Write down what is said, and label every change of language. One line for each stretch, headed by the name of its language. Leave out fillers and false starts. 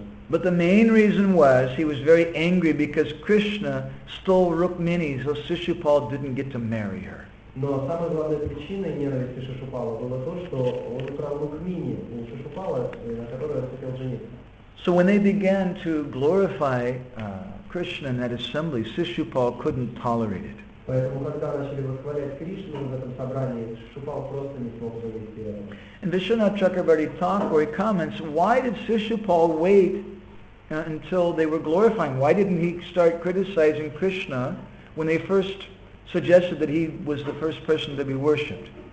English: But the main reason was he was very angry because Krishna stole Rukmini, so Shishupal didn't get to marry her.
Russian: Но самой главной причиной ненависти Шишупала было то, что он украл Рукмини у Шишупала, на которой он хотел жениться.
English: So when they began to glorify Krishna in that assembly, Shishupal couldn't tolerate it.
Russian: Поэтому когда начали восхвалять Кришну в этом собрании, Шишупал просто не смог занести это.
English: And Vishwanath Chakrabarty Thakur comments, why did Shishupal wait until they were glorifying? Why didn't he start criticizing Krishna when they first suggested that he was the first person to be worshipped?